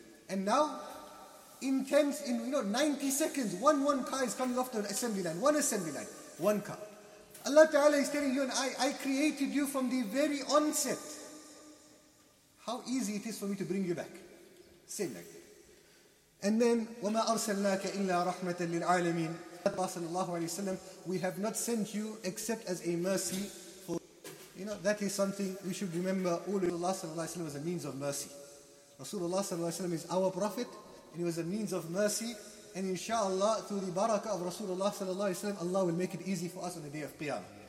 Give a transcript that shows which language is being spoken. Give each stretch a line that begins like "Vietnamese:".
English: And now, in 90 seconds, one car is coming off the assembly line. One assembly line, one car. Allah Ta'ala is telling you and I created you from the very onset. How easy it is for me to bring you back. Same like that. And then,
Arabic: وَمَا أَرْسَلْنَاكَ إِلَّا رَحْمَةً لِلْعَالَمِينَ.
English: Sallallahu Alaihi Wasallam, we have not sent you except as a mercy. You know, that is something we should remember. Rasulullah sallallahu alayhi wa sallam was a means of mercy. Rasulullah sallallahu alayhi wa sallam is our prophet, and he was a means of mercy. and inshallah, through the barakah of Rasulullah sallallahu alayhi wa sallam, Allah will make it easy for us on the day of Qiyamah.